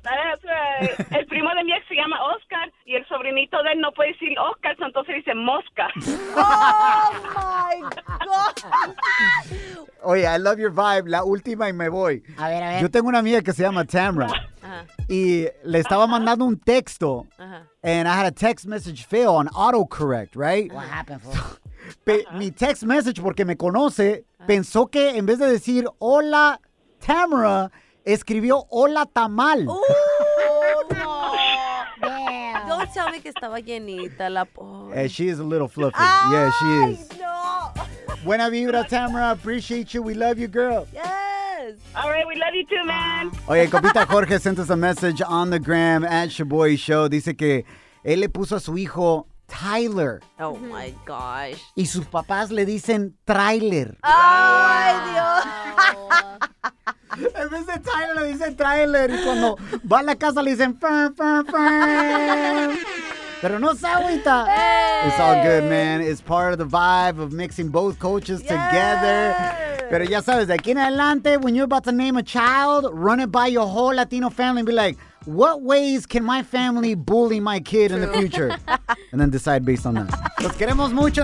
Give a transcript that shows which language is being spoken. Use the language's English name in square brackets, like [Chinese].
[English] That's right. [Spanish] El primo de mi ex se llama Oscar y el sobrinito de él no puede decir Oscar, entonces dice Mosca. [English] Oh my God. [Spanish] Oye, [English] I love your vibe. [Spanish] La última y me voy. A ver. Yo tengo una amiga que se llama Tamara. Y le estaba mandando un texto. [English] And I had a text message fail on autocorrect, right? What happened, fool? [Spanish] Mi text message, porque me conoce, pensó que en vez de decir hola Tamara, escribió hola tamal. [English] Don't tell me [Spanish] que estaba llenita la pobre. [English] She is a little fluffy. Yeah, she is. No. [Spanish] Buena vibra, [English] Tamara. Appreciate you. We love you, girl. Yes. All right, we love you too, man. Oye, Copita Jorge sent us a message on the gram at Shaboy Show. [Spanish] Dice que él le puso a su hijo Tyler. [English] Oh, my gosh. [Spanish] Y sus papás le dicen Tyler. Oh, ay, Dios. En vez de Tyler, le dicen Tyler. Y cuando va a la casa, le dicen fum. Pero no se agüita. [English] Hey. It's all good, man. It's part of the vibe of mixing both coaches together. [Spanish] Pero ya sabes, de aquí en adelante, [English] when you're about to name a child, run it by your whole Latino family and be like, what ways can my family bully my kid in the future? And then decide based on that. [Spanish] Los queremos mucho.